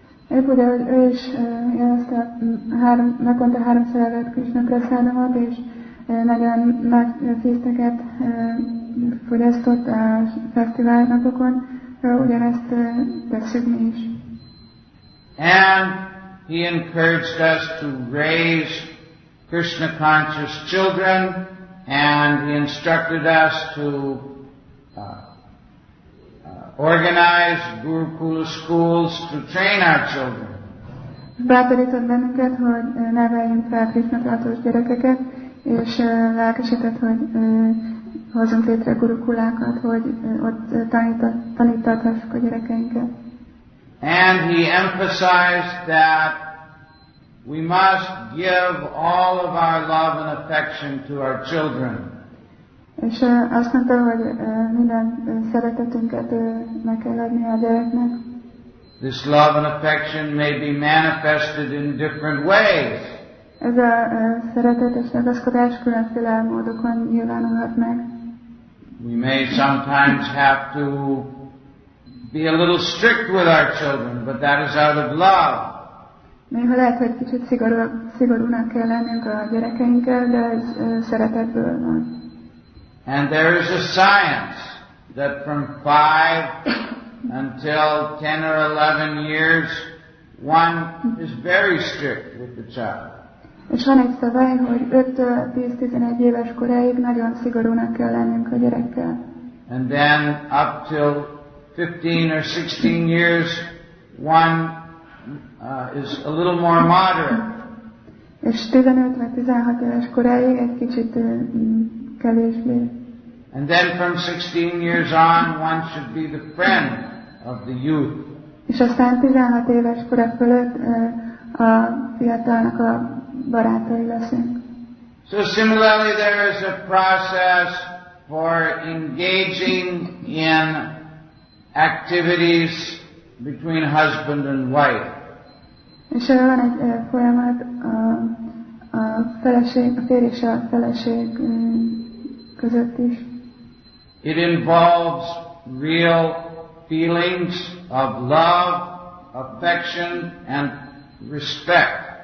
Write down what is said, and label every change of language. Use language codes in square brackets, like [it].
[hu] Épp ugye, hogy ő is jelezte naponta háromszor elvett Krishna prasadamot, és nagyon nagy fészteket fogyasztott a fesztivál napokon, ugyanezt tesszük mi is. [en] And he encouraged us to raise Krishna conscious children, and he instructed us to organize Gurukul schools to train our children. [hu] Bátorított bennünket, hogy neveljünk fel Krishna tartós gyerekeket, és lelkesített, hogy hozzunk létre gurukulákat, hogy ott tanítathassuk a gyerekeinket. [en] And he emphasized that we must give all of our love and affection to our children. [hu] És azt mondta, hogy minden szeretetünket meg kell adni a gyereknek. [en] This love and affection may be manifested in different ways. [hu] Ez a szeretet és ragaszkodás különféle módokon nyilvánulhat meg. [en] We may sometimes have to be a little strict with our children, but that is out of love. [hu] Néha lehet, hogy kicsit szigorúnak kell lennünk a gyerekeinkkel, de ez szeretetből van. [en] And there is a science that from 5 until 10 or 11 years, one is very strict with the child. [hu] És van egy szabály, hogy 5-10-11 éves koráig nagyon szigorúnak kell lennünk a gyerekkel. [en] And then up till 15 or 16 years, one is a little more moderate. [hu] És 15 vagy 16 éves koráig egy kicsit kevésbé. [en] And then from 16 years on, one should be the friend of the youth. [hu] És aztán 16 éves kora fölött a fiatalnak a barátai leszünk. [en] So similarly there is a process for engaging in activities between husband and wife. [hu] És van egy folyamat a feleség, a férj és a feleség között is. [en] It involves real feelings of love, affection and respect.